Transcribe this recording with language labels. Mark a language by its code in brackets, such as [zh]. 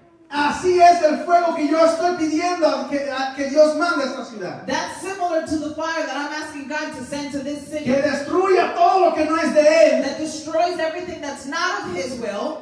[es] Así es el fuego que yo estoy pidiendo que Dios mande a esta ciudad. [en] That's similar to the fire that I'm asking God to send to this city. [es] Que destruya todo lo que no es de Él. [en] That destroys everything that's not of His will.